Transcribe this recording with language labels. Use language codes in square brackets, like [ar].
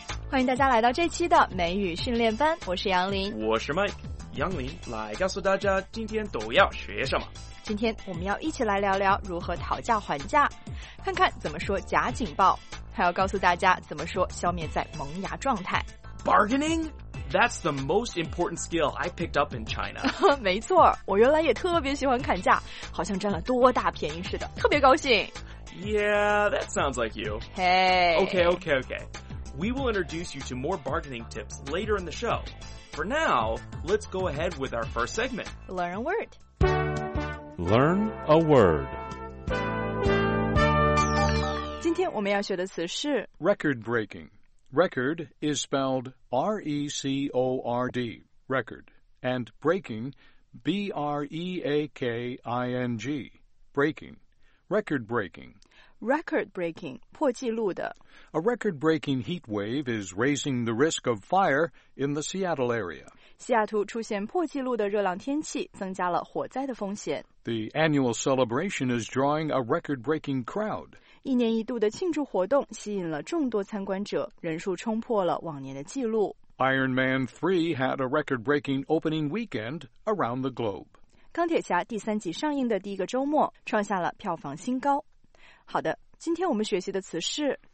[zh] 欢迎大家来到这期的美语训练班，我是杨林，我是 Mike。杨林来告诉大家今天都要学什么。今天我们要一起来聊聊如何讨价还价，看看怎么说假警报，还要告诉大家怎么说消灭在萌芽状态。 [en] Bargaining? That's the most important skill I picked up in China. [zh] 没错，我原来也特别喜欢砍价，好像占了多大便宜似的，特别高兴。 [en] Yeah, that sounds like you. Hey. Okay. We will introduce you to more bargaining tips later in the show. For now, let's go ahead with our first segment. Learn a word. Learn a word. [zh] 今天我们要学的词是 [en] record breaking. Record is spelled R-E-C-O-R-D, record. And breaking, B-R-E-A-K-I-N-G, breaking. Record breaking. [zh] Record breaking, 破纪录的。 [en] A record breaking heat wave is raising the risk of fire in the Seattle area. [zh] 西雅图出现破纪录的热浪天气，增加了火灾的风险。 [en] The annual celebration is drawing a record breaking crowd. [zh] 一年一度的庆祝活动吸引了众多参观者，人数冲破了往年的纪录。 [en] Iron Man 3 had a record breaking opening weekend around the globe. [zh] 钢铁侠第三集上映的第一个周末，创下了票房新高。好的，今天我们学习的词是